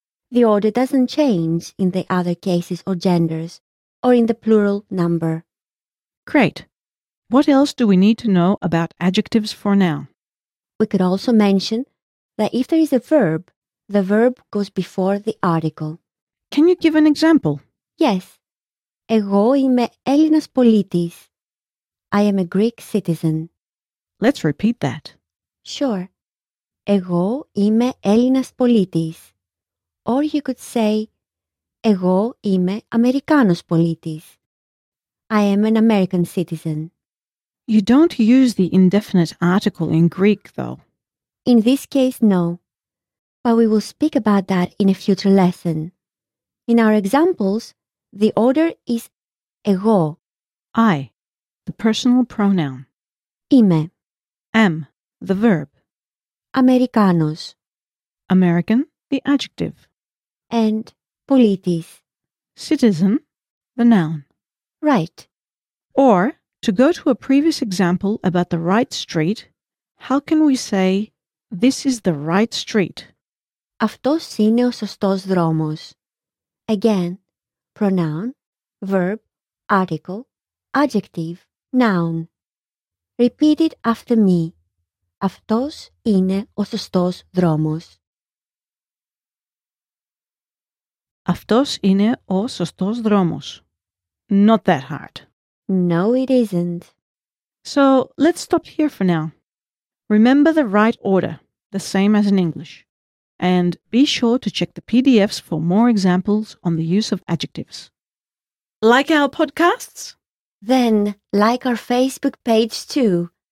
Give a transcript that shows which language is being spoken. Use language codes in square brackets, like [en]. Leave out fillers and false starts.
[en] The order doesn't change in the other cases or genders, or in the plural number. Great. What else do we need to know about adjectives for now? We could also mention that if there is a verb, the verb goes before the article. Can you give an example? Yes. [el] Εγώ είμαι Έλληνας πολίτης. [en] I am a Greek citizen. Let's repeat that. Sure. [el] Εγώ είμαι Έλληνας πολίτης. [en] Or you could say, [el] Εγώ είμαι Αμερικάνος πολίτης. [en] I am an American citizen. You don't use the indefinite article in Greek, though. In this case, no. But we will speak about that in a future lesson. In our examples, the order is εγώ. I, the personal pronoun. [el] Είμαι. [en] Am, the verb. [el] Αμερικάνος. [en] American, the adjective. And πολίτης. Citizen, the noun. Right. Or, to go to a previous example about the right street, how can we say, this is the right street? [el] Αυτός είναι ο σωστός δρόμος. [en] Again, pronoun, verb, article, adjective, noun. Repeat it after me. [el] Αυτός είναι ο σωστός δρόμος. Αυτός είναι ο σωστός δρόμος. [en] Not that hard. No, it isn't. So, let's stop here for now. Remember the right order, the same as in English. And be sure to check the PDFs for more examples on the use of adjectives. Like our podcasts? Then like our Facebook page too.